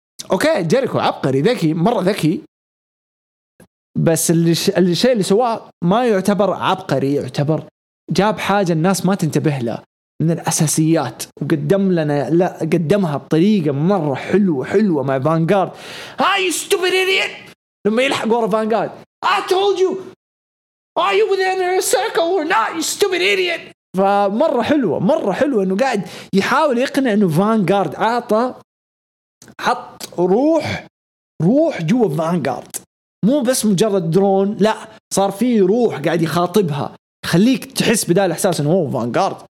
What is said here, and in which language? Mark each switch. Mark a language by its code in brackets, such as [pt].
[ar] اوكي جيريكو عبقري ذكي مرة ذكي, بس الشيء اللي سواه ما يعتبر عبقري, يعتبر جاب حاجة الناس ما تنتبه لها من الأساسيات, وقدم لنا لا قدمها بطريقة مرة حلوة حلوة مع فانغارد. هاي [en] stupid idiot [ar] لما يلحق ورا فانغارد, [en] I told you are you within a circle or not you stupid idiot. [ar] فمرة حلوة مرة حلوة إنه قاعد يحاول يقنع إنه فانغارد عطى حط روح جوا فانغارد, مو بس مجرد درون, لا صار فيه روح قاعد يخاطبها, خليك تحس بدال إحساس إنه هو فانغارد.